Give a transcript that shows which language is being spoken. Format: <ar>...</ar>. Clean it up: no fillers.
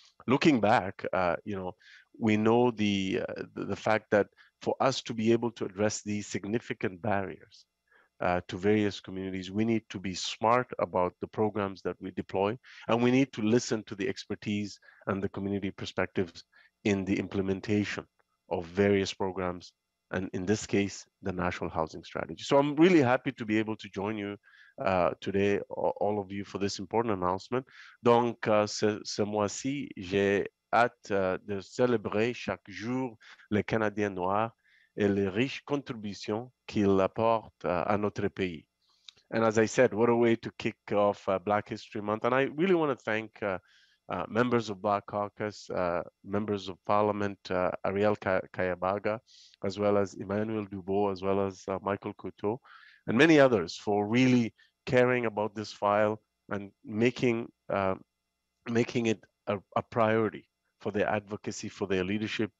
<en>Looking back, we know the fact that for us to be able to address these significant barriers to various communities, we need to be smart about the programs that we deploy, and we need to listen to the expertise and the community perspectives in the implementation of various programs, and in this case, the National Housing Strategy. So I'm really happy to be able to join you today, all of you, for this important announcement.</en> <fr>Donc, ce mois-ci, j'ai hâte de célébrer chaque jour les Canadiens noirs et les riches contributions qu'il apporte à notre pays.</fr> <en>And as I said, what a way to kick off Black History Month. And I really want to thank members of Black Caucus, members of Parliament, Arielle Kayabaga, as well as Emmanuel Dubourg, as well as Michael Coteau, and many others for really caring about this file and making it a priority for their advocacy, for their leadership.</en>